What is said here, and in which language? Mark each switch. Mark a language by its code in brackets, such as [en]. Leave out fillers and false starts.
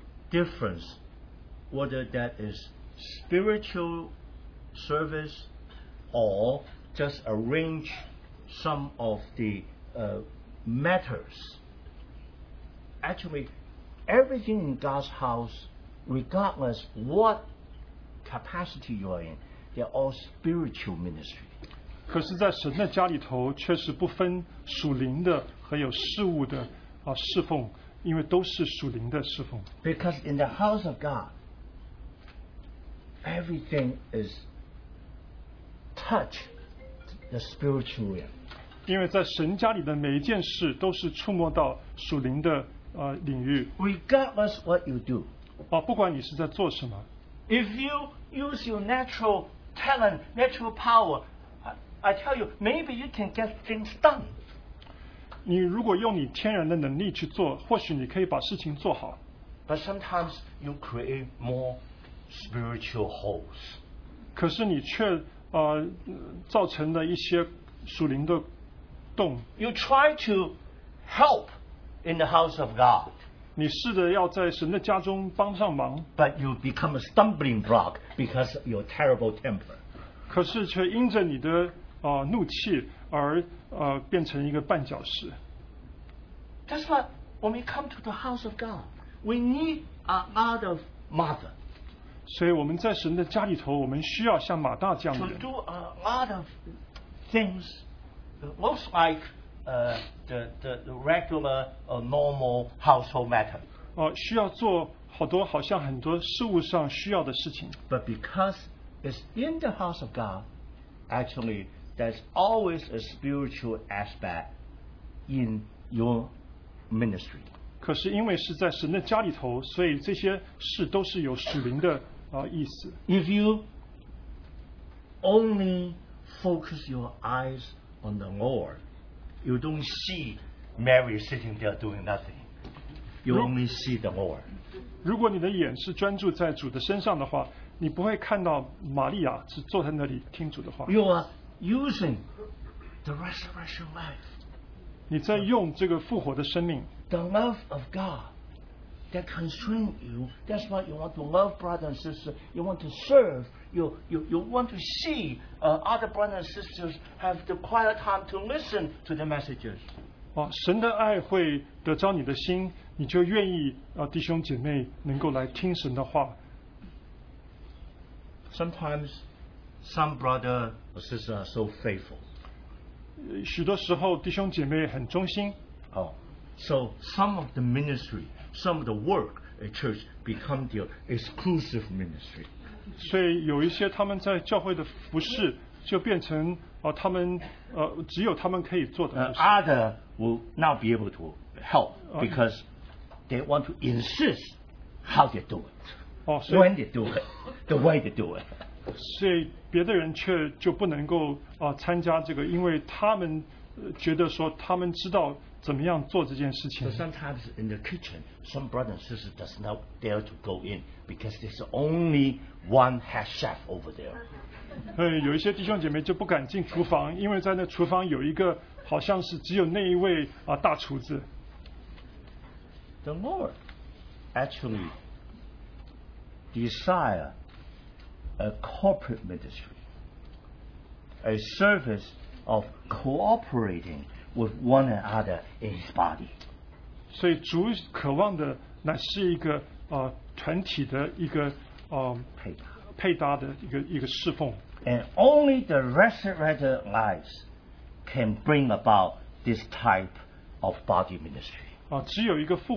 [en] Difference whether that is spiritual service or just arrange some of the matters. Actually, everything in God's house, regardless what capacity you are in, they're all spiritual ministry. [zh] 可是在神的家里头却是不分属灵的和有事物的侍奉。因为都是属灵的侍奉。 [en] Because in the house of God, everything is touch the spiritual realm. [zh] 因为在神家里的每一件事都是触摸到属灵的领域。 [en] Regardless what you do, [zh] 不管你是在做什么。 [en] If you use your natural talent, natural power, I tell you, maybe you can get things done. [zh] 你如果用你天然的能力去做，或许你可以把事情做好。 [en] But sometimes you create more spiritual holes. [zh] 可是你却造成了一些属灵的洞。 [en] You try to help in the house of God. [zh] 你试着要在神的家中帮上忙。 [en] But you become a stumbling block because of your terrible temper. [zh] 可是却因着你的怒气而变成一个绊脚石。 [en] That's why when we come to the house of God, we need a lot of Martha. [zh] 所以我们在神的家里头，我们需要像马大这样的人。 [en] To do a lot of things, most like the regular normal household matter. [zh] 需要做好多好像很多事务上需要的事情。 [en] But because it's in the house of God, actually. There's always a spiritual aspect in your ministry. [zh] 可是因为是在神的家里头，所以这些事都是有属灵的意思。 [en] If you only focus your eyes on the Lord, you don't see Mary sitting there doing nothing. You only see the Lord. [zh] 如果你的眼是专注在主的身上的话, 你不会看到玛利亚是坐在那里听主的话。 [en] You are using the resurrection life. [zh] 你在用这个复活的生命。 [en] The love of God that constrains you. That's why you want to love brother and sister. You want to serve. You want to see other brothers and sisters have the quiet time to listen to the messages. [zh] 哦, 神的爱会得着你的心, 你就愿意, 弟兄姐妹, 能够来听神的话。 [en] Sometimes some brother or sister are so faithful. [zh] 许多时候, 弟兄姐妹很忠心。 [en] Oh, so some of the ministry, some of the work at church become their exclusive ministry. [zh] 所以有一些他们在教会的服事, 就变成, 他们, 只有他们可以做的, [en] Other will not be able to help because they want to insist how they do it, when they do it, the way they do it. [zh] 所以别的人却就不能够, 参加这个, 因为他们, 觉得说他们知道怎么样做这件事情。 [en] So sometimes in the kitchen, some brother and sister does not dare to go in because there's only one head chef over there. [zh] 有一些弟兄姐妹就不敢进厨房, 因为在那厨房有一个好像是只有那一位, 大厨子。 [en] The Lord actually desire a corporate ministry, a service of cooperating with one another in His body. [zh] 所以主渴望的乃是一个, 团体的一个, 配搭的一个侍奉。 [en] And only the resurrected lives can bring about this type of body ministry.